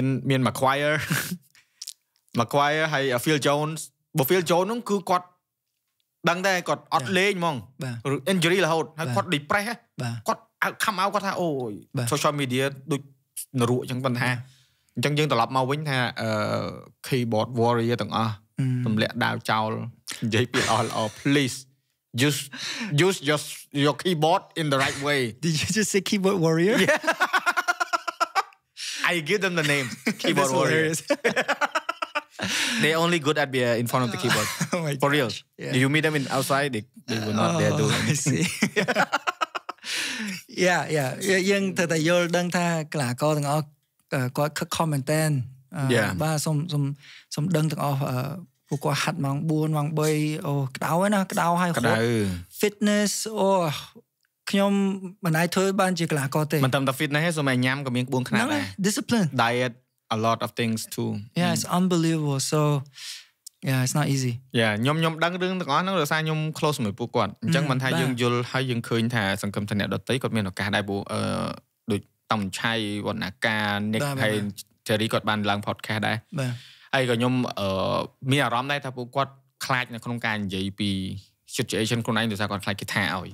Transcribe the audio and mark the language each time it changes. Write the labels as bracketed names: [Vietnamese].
[Khmer] មាន Maguire ហើយ Phil Jones បើ Phil Jones ហ្នឹងគឺគាត់ដឹងតែគាត់អត់លេងហ្មង injury រហូតហើយគាត់ depress គាត់អើខំអោគាត់ថាអូយ social media ដូចនរក់អញ្ចឹងប៉ុន្តែអញ្ចឹងយើងត្រឡប់មកវិញថា keyboard warrior ទាំងអស់ ទម្លាក់ដាវចោលនិយាយពាក្យអស់ល្អ [English] please use just your keyboard in the right way did you just say keyboard warrior yeah. I give them the name keyboard warrior they only good at be in front of the keyboard for real yeah. Do you meet them in outside they were not there doing I see yeah [Khmer] យើងតែយល់ដឹងថាក្លាករទាំងអស់គាត់ខិតខំមែនតើ បាទសុំដឹងទាំងអស់ពួកគាត់ហាត់ម៉ោង4ម៉ោង3អូក្តៅហើយណាក្តៅហើយ ក្តៅ fitness អូខ្ញុំមិនអាចធ្វើបានជាក្លាករទេ មិនតាមតា fitness ទេសុំតែញ៉ាំក៏មានក្បួនខ្នាតដែរ [English] discipline dieta lot of things too yeah it's unbelievable so yeah it's not easy [Khmer] yeah ខ្ញុំដឹងរឿងទាំងអស់ហ្នឹងដោយសារខ្ញុំ close ជាមួយពួកគាត់អញ្ចឹងមិនថាយើងយល់ហើយយើងឃើញថាសង្គមធនៈដតីគាត់មានឱកាសដែរពួកដូចតំឆៃវណ្ណការ Nick Payne Terry គាត់បានឡើង podcast ដែរបា ទហើយក៏ខ្ញុំមានអារម្មណ៍ដែរថាពួកគាត់ខ្លាចនៅក្នុងការនិយាយពី situation ខ្លួនឯងដោយសារគាត់ខ្លាចគេថាឲ្យ